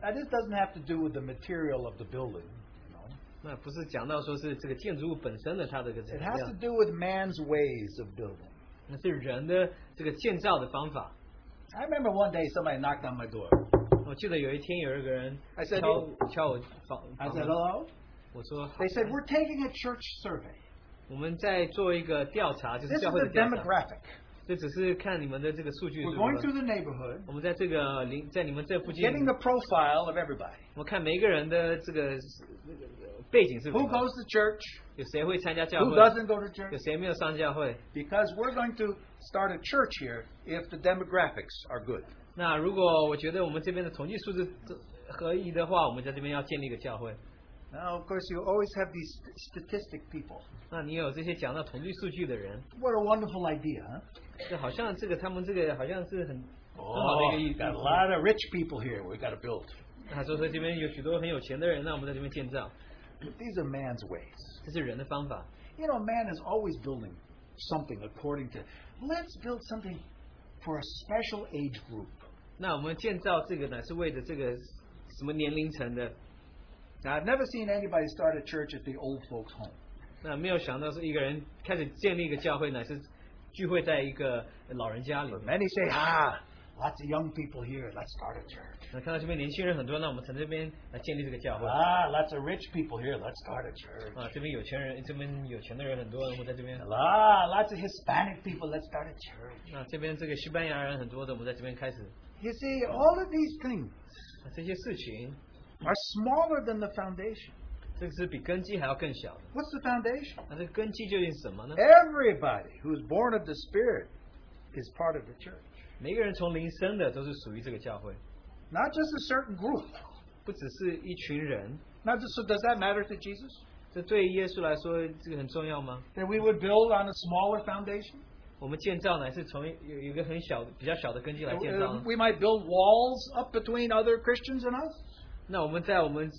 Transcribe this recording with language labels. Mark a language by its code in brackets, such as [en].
[en] Now, this doesn't have to do with the material of the building. [zh] 那不是讲到说是这个建筑物本身的它的这个材料。 [en] It has to do with man's ways of building. [zh] 那是人的这个建造的方法。I [en] remember one day somebody knocked on my door. [zh] 我记得有一天有一个人敲我房门。 [en] I said, hello? [zh] 我说, [en] they said, we're taking a church survey. [zh] 我们在做一个调查，就是教会的调查。 [en] This is a demographic. [zh] 这只是看你们的这个数据是吧? [en] We're going through the neighborhood. [zh] 我们在这个邻，在你们这附近。 [en] Getting the profile of everybody. [zh] 我看每个人的这个。 [en] Who goes to church? [zh] 有谁会参加教会? [en] Who doesn't go to church? [zh] 有谁没有上教会? [en] Because we're going to start a church here if the demographics are good. [zh] 那如果我觉得我们这边的统计数字合宜的话, 我们在这边要建立一个教会。 [en] Now, of course, you always have these statistic people. [zh] 那你有这些讲到统计数据的人。 [en] What a wonderful idea, huh? [zh] 好像这个他们这个好像是很, [en] oh, we've got a lot of rich people here we've got to build. [zh] 他说这边有许多很有钱的人, 那我们在这边建造。 [en] But these are man's ways. [zh] 这是人的方法。 [en] You know, man is always building something according to, let's build something for a special age group. [zh] 那我们建造这个呢, 是为了这个什么年龄层的。 [en] Now, I've never seen anybody start a church at the old folks' home. [zh] 那没有想到是一个人开始建立一个教会呢, 是聚会在一个老人家里。 [en] But many say, ah, lots of young people here, let's start a church. [zh] 看到这边年轻人很多，那我们从这边来建立这个教会。 [en] Ah, lots of rich people here, let's start a church. [zh] 这边有钱人，这边有钱的人很多，我们在这边。 [en] Ah, lots of Hispanic people, let's start a church. [zh] 这边这个西班牙人很多的，我们在这边开始。You [en] see, all of these things, [zh] 这些事情, [en] are smaller than the foundation. [zh] 这个是比根基还要更小的。 [en] What's the foundation? [zh] 那这根基究竟是什么呢? [en] Everybody who is born of the Spirit is part of the church. [zh] 每个人从灵生的都是属于这个教会。 [en] Not just a certain group. [zh] 不只是一群人。 [en] Not just, so does that matter to Jesus? [zh] 这对耶稣来说这个很重要吗? [en] That we would build on a smaller foundation? [zh] 我们建造呢是从有一个很小比较小的根基来建造。 [en] We might build walls up between other Christians and us?